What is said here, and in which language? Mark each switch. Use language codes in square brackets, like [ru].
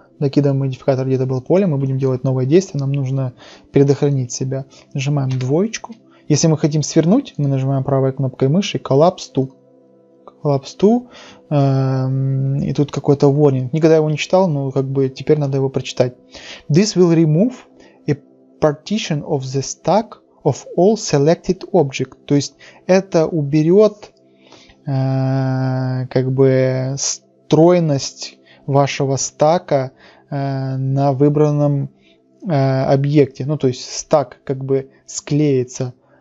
[ru] Накидываем модификатор, где-то был поле. Мы будем делать новое действие. Нам нужно предохранить себя. Нажимаем двоечку. Если мы хотим свернуть, мы нажимаем правой кнопкой мыши Collapse to. Collapse to. И тут какой-то warning. Никогда его не читал, но как бы теперь надо его прочитать. [en] This will remove a partition of the stack of all selected objects. [ru] То есть это уберет как бы стройность вашего стака на выбранном объекте. Ну, то есть стак как бы склеится.